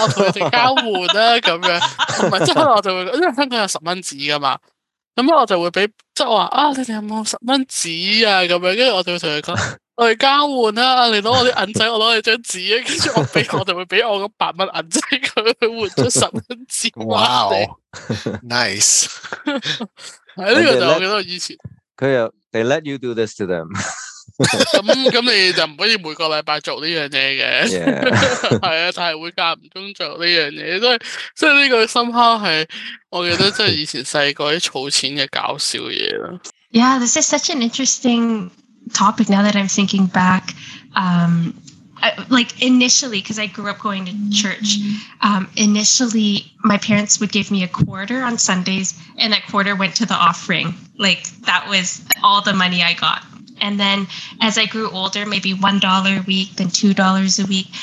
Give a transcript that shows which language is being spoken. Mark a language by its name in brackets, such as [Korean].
[Cantonese] 我同你哋交换啊，咁样，唔系即系我就会，因为香港有10蚊纸噶嘛，咁我就会俾，即系话啊，你哋有冇10蚊纸啊？咁样，跟住我就会同佢讲，我哋交换啦、啊，你攞我啲银仔，我攞你张纸啊，跟住我就会俾我嗰8蚊银仔佢换咗10蚊纸。 [English] 哇、wow, ！Nice， [Cantonese] 系呢个就我记得我以前。佢又 [English] ，they let you do this to them [Cantonese] 。 咁你就唔可以每个礼拜做呢样嘢嘅，系、 [English] yeah. [Cantonese] 啊，但系会间唔中做呢样嘢，所以呢个深刻系，我记得即系以前细个啲储钱嘅搞笑嘢啦。 [English] Yeah, this is such an interesting topic. Now that I'm thinking back, like initially, because I grew up going to church, initially my parents would give me a quarter on Sundays, and that quarter went to the offering. Like that was all the money I got. And then as I grew older, maybe $1 a week, then $2 a week.